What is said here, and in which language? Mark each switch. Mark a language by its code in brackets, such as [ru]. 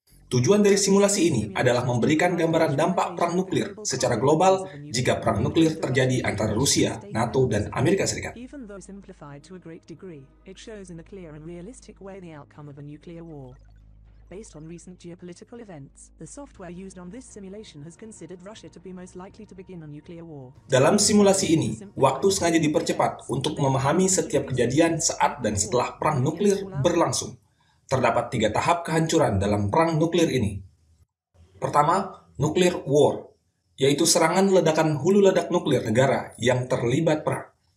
[id] Tujuan dari simulasi ini adalah memberikan gambaran dampak perang nuklir secara global jika perang nuklir terjadi antara Rusia, NATO, dan Amerika Serikat. [en] Even though simplified to a great degree, it shows in a clear and realistic way the outcome of a nuclear war. Based on recent geopolitical events, the software used on this simulation has considered Russia to be most likely to begin a nuclear war. [id] Dalam simulasi ini, waktu sengaja dipercepat untuk memahami setiap kejadian saat dan setelah perang nuklir berlangsung. Terdapat tiga tahap kehancuran dalam perang nuklir ini. Pertama, nuclear war, yaitu serangan ledakan hulu ledak nuklir negara yang terlibat perang.